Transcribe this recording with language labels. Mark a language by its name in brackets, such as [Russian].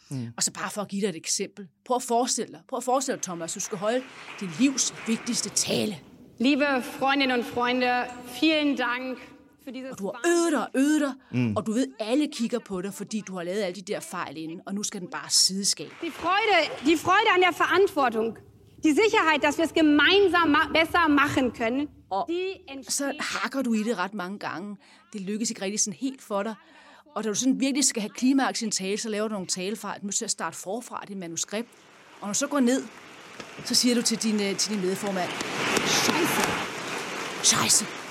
[Danish] Mm. Og så bare for at give dig et eksempel. Prøv at forestille dig, Thomas, du skal holde din livs vigtigste tale. [German] Liebe Freundinnen und Freunde, vielen Dank. [Danish] Og du har øget dig, og du ved, alle kigger på dig, fordi du har lavet alle de der fejl inden, og nu skal den bare sideskabe. [German] Die Freude an der Verantwortung, die Sicherheit, dass wir es gemeinsam besser machen können. [Danish] Og så hakker du i det ret mange gange. Det lykkes ikke rigtig sådan helt for dig. Og da du sådan virkelig skal have klimaks i en tale, så laver du nogle talefejl. Du må til at starte forfra dit manuskript. Og når du så går ned, så siger du til din medformand, [German] Scheisse! Scheisse!